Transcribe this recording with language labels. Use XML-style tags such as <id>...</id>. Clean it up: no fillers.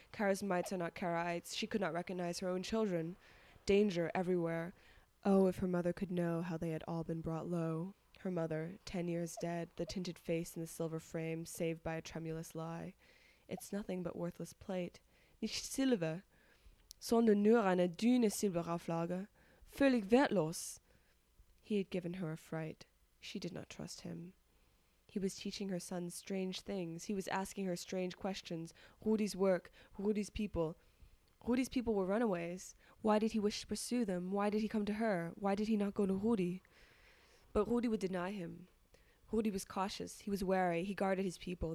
<en>Karasmites are not Karaites. She could not recognize her own children. Danger everywhere. Oh, if her mother could know how they had all been brought low. Her mother, 10 years dead, the tinted face in the silver frame, saved by a tremulous lie. It's nothing but worthless plate.</en> <de>Nicht Silber, sondern nur eine dünne Silberauflage, völlig wertlos.</de> <en>He had given her a fright. She did not trust him. He was teaching her son strange things. He was asking her strange questions. Rudi's work, Rudi's people. Rudi's people were runaways. Why did he wish to pursue them? Why did he come to her? Why did he not go to Rudi? But Rudi would deny him. Rudi was cautious. He was wary. He guarded his people.</en>